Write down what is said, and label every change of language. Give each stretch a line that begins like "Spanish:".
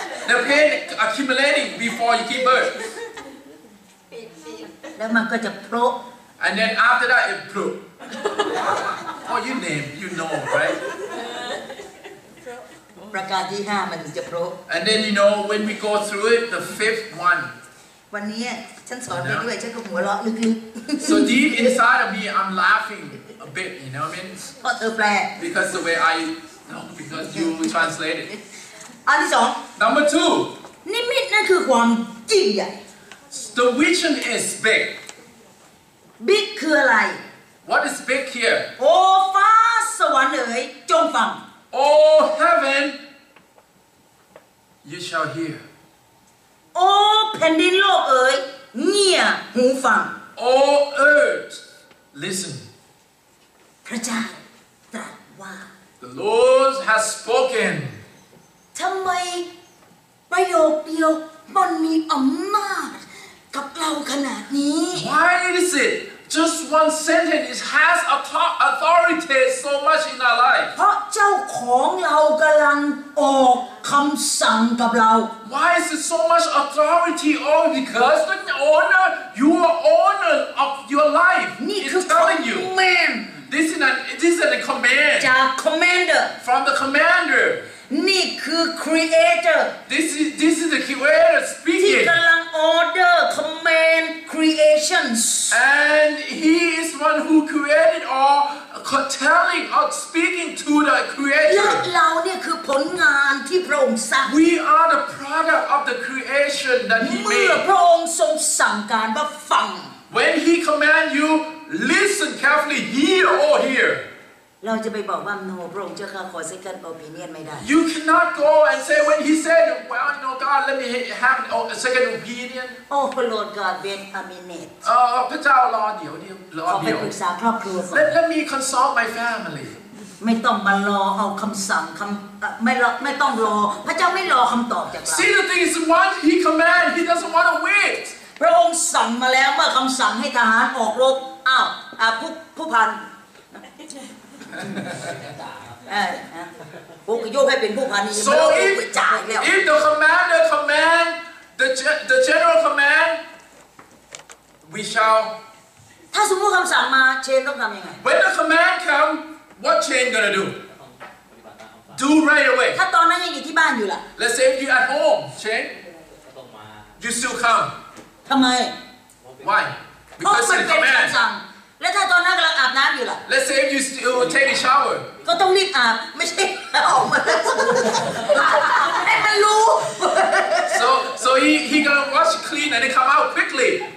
English: The pain accumulating before you give birth. Beep, beep. Then it will pop. And then after that, it pop. What you name? You know, right?
Thai: ประการที่ห้ามันจะพร้อม
English: And then you know when we go through it, the fifth one.
Thai: วันนี้ฉันสอนไปด้วยฉันก็หัวเราะลึก
English: ๆ So deep inside of me, I'm laughing a bit. You know what I mean?
Thai: เพราะเธอแปล
English: Because the way I, no, because you translated.
Thai: อันที่สอง
English: Number two.
Thai: นิมิตนั่นคือความจริงใหญ่
English: The vision is big.
Thai: Big คืออะไร
English: What is big here?
Thai: Oh, ฟ้าสวรรค์เอ๋ยจงฟัง
English: Oh, heaven, you shall hear.
Thai: Oh, แผ่นดินโลกเอ๋ยเงี่ยหูฟัง
English: Oh, earth, listen.
Thai: พระเจ้าตรัสว่า
English: The The Lord has spoken.
Thai: ทำไมประโยคเดียวมันมีอำนาจกับเราขนาดนี้
English: Why is it just one sentence it has authority so much in our life?
Thai: เพราะเจ้าของเรากำลังออกคำสั่งกับเรา
English: Why is it so much authority? Oh, because the owner, you are owner of your life. It's telling you. Man, this is a command.
Thai: จาก commander.
English: From the commander.
Thai: นี่คือ creator
English: this is the creator speaking
Thai: ที่กำลัง
English: order command creations and he is one who created all telling or speaking to the creator
Thai: เราเนี่ยคือผลงานที่พระองค์สร้าง
English: we are the product of the creation that he made
Thai: เมื่อพระองค์ทรงสั่งการว่าฟัง
English: when he command you listen carefully hear or hear
Thai: เราจะไปบอกว่าโนพระองค์เจ้าข้าขอ
English: second opinion
Thai: ไม่ได้
English: You cannot go and say when he said well no God let me have a second opinion Oh Lord God wait a minute
Thai: พระเจ้ารอเดี๋ยวนี้รอเดี๋ยวขอปรึกษาครอบครัวก่อน
English: Let me consult my family
Thai: ไม่ต้องมารอเอาคำสั่งคำไม่ต้องรอพระเจ้าไม่รอคำตอบจากเรา
English: See the thing is what he command he doesn't want to wait
Thai: พระองค์สั่งมาแล้วเมื่อคำสั่งให้ทหารออกรบอ้าวผู้พัน
English: So if the commander command the general command we shall.
Thai: ถ้าสมมติคำสั่งมาเชนต้องทำยังไง
English: When the command come, what chain gonna do? Do right away.
Thai: ถ้าตอนนั้นยังอยู่ที่บ้านอยู่ล่ะ
English: Let's say if you at home, chain. You still come.
Thai: ทำไม
English: Why? Because it's command.
Thai: แล้วถ้าตอนนั้นกำลังอาบน้ำอยู่ล่ะ
English: Let's say if you take a shower
Thai: ก็ต้องรีบอาบไม่ใช่ออกมาให้มันรู้
English: So he gonna wash clean and then come out quickly